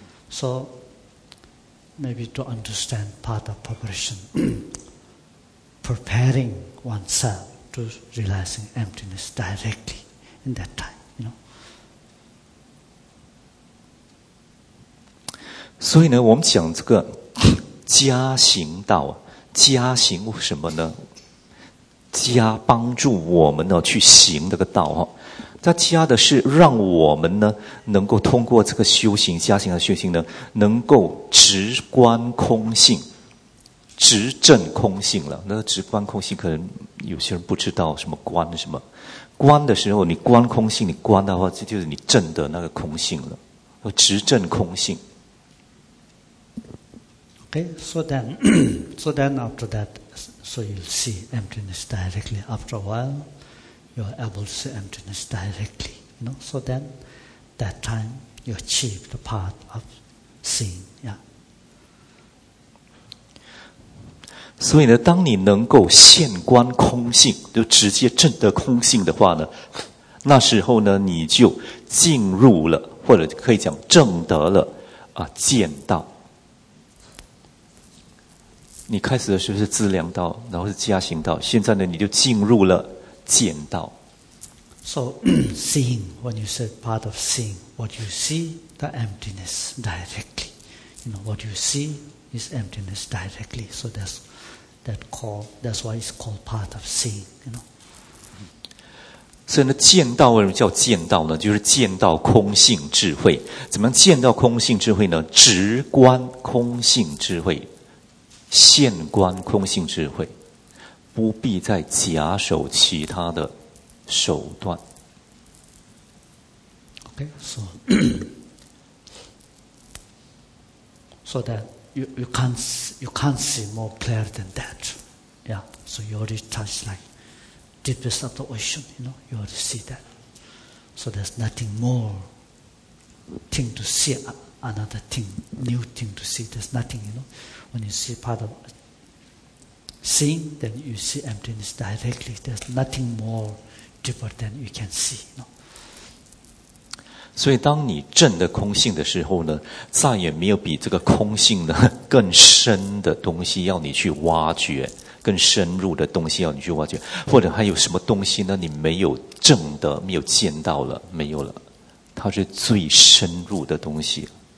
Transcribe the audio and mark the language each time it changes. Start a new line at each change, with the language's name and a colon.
English: So, maybe to understand part of preparation, preparing oneself to realizing emptiness directly in that time, you know.
Chinese: 所以呢，我们讲这个加行道，加行什么呢？加帮助我们呢去行这个道哈。他加的是让我们呢能够通过这个修行加行的修行呢能够直观空性直证空性了。那直观空性可能有些人不知道什么观什么观的时候你观空性你观的话这就是你证的那个空性了直证空性。
English: Okay, so then, so then after that, so you'll see emptiness directly after a while. You are able to see emptiness directly, you know. So then, that time you achieve the path of seeing. Yeah.
Chinese: 所以呢，当你能够现观空性，就直接证得空性的话呢，那时候呢，你就进入了，或者可以讲证得了啊，见到。你开始的时候是资粮道，然后是加行道，现在呢，你就进入了。见到
English: So seeing, when you said part of seeing, what you see, the emptiness directly. You know, what you see is emptiness directly. So that's, that call, that's why it's called part of seeing, you know.
Chinese: 所以呢见到为什么叫见到呢就是见到空性智慧。怎么样见到空性智慧呢直观空性智慧。现观空性智慧。不必再假手其他的手段。
English: Okay, so, so that you can't see more clear than that. Yeah, so you already touch like deepest of the ocean, you know, you already see that. So there's nothing more thing to see, another thing, new thing to see. There's nothing, you know, when you see part of. Seeing, then you see emptiness directly. There's nothing more deeper than you can see. No.
Chinese: 所以，当你证得空性的时候呢，再也没有比这个空性呢更深的东西要你去挖掘，更深入的东西要你去挖掘，或者还有什么东西呢？你没有证得，没有见到了，没有了，它是最深入的东西。